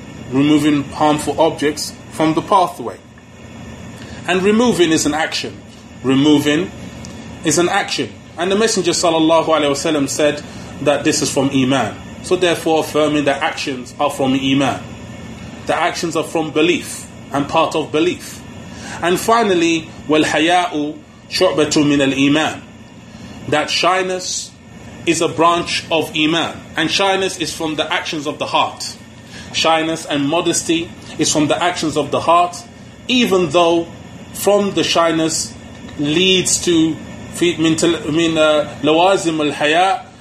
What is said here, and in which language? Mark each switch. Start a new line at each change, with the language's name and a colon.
English: Removing harmful objects from the pathway. And removing is an action. Removing is an action. And the Messenger sallallahu alayhi wa sallam said that this is from Iman. So therefore affirming that actions are from Iman. The actions are from belief and part of belief. And finally,
Arabic: وَالْحَيَاءُ شُعْبَةُ مِنَ الْإِيمَانِ.
English: That shyness is a branch of Iman. And shyness is from the actions of the heart. Shyness and modesty is from the actions of the heart, even though from the shyness leads to
Arabic: لَوَازِمُ الْحَيَاءُ.